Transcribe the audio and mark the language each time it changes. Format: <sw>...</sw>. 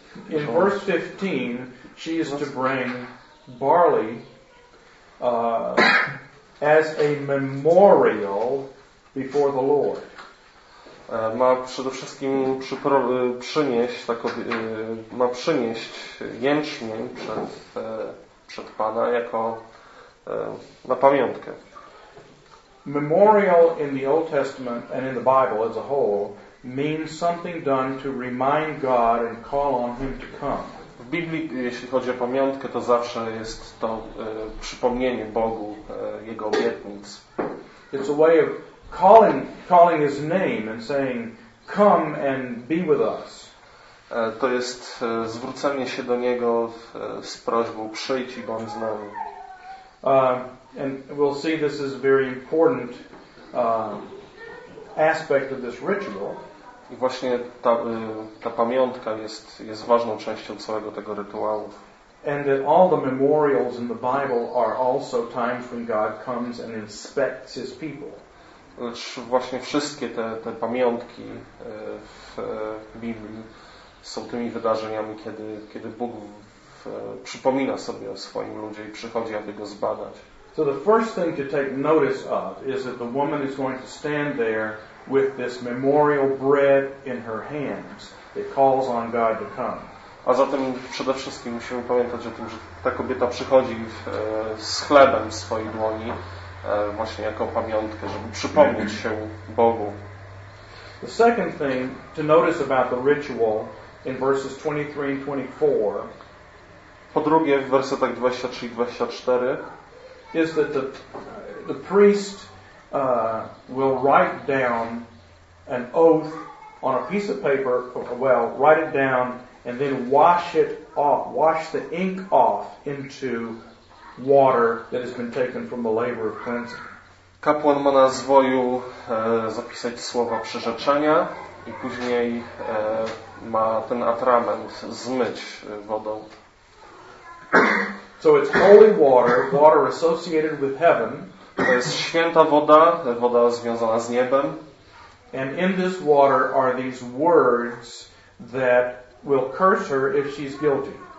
<en>In verse 15, she is to bring barley as a memorial before the Lord.</en> <pl>Ma przede wszystkim przynieść ma przynieść jęczmień przed Pana jako na pamiątkę.</pl> <en>Memorial in the Old Testament and in the Bible as a whole means something done to remind God and call on Him to come.</en> <pl>W Biblii, jeśli chodzi o pamiątkę, to zawsze jest to przypomnienie Bogu Jego obietnic.</pl> <en>It's a way of calling His name and saying, "Come and be with us."</en> <pl>To jest zwrócenie się do Niego z prośbą, przyjdź i bądź z nami.</pl> <en>And we'll see this is a very important aspect of this ritual.</en> <pl>I właśnie ta pamiątka jest ważną częścią całego tego rytuału.</pl> <en>And that all the memorials in the Bible are also times when God comes and inspects His people.</en> <pl>Lecz właśnie wszystkie te pamiątki w Biblii są tymi wydarzeniami, kiedy Bóg przypomina sobie o swoim ludzie i przychodzi, aby go zbadać.</pl> <en>So the first thing to take notice of is that the woman is going to stand there with this memorial bread in her hands that calls on God to come.</en> <pl>A zatem przede wszystkim musimy pamiętać o tym, że ta kobieta przychodzi z chlebem w swojej dłoni, właśnie jako pamiątkę, żeby przypomnieć się Bogu.</pl> <en>The second thing to notice about the ritual in verses 23 and 24.</en> <pl>Po drugie, w wersetach 23-24</pl> <en>is that the priest will write down an oath on a piece of paper, well, write it down and then wash it off, wash the ink off into water that has been taken from the labor of cleansing.</en> <pl>Kapłan ma na zwoju zapisać słowa przyrzeczenia i później ma ten atrament zmyć wodą.</pl> <en>So it's holy water associated with heaven.</en> <pl>To jest święta woda związana z niebem.</pl> <en>And in this water are these words that will curse her if she's guilty.</en>